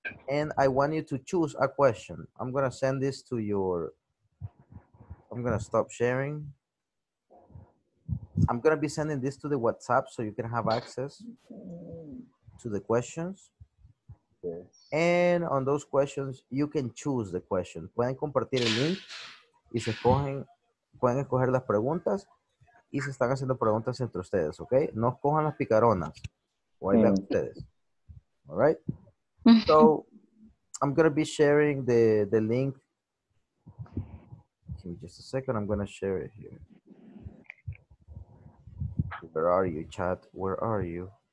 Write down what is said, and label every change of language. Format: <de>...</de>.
<en>And I want you to choose a question. I'm going to send this to your... I'm going to stop sharing. I'm going to be sending this to the WhatsApp so you can have access to the questions. Yes. And on those questions, you can choose the question.</en> <es>Pueden compartir el link y se cogen, pueden escoger las preguntas y se están haciendo preguntas entre ustedes, ¿ok? No cojan las picaronas. O ahí ven ustedes.</es> <en>All right? So, I'm going to be sharing the link. Give me just a second. I'm going to share it here. Where are you, chat? Where are you?</en>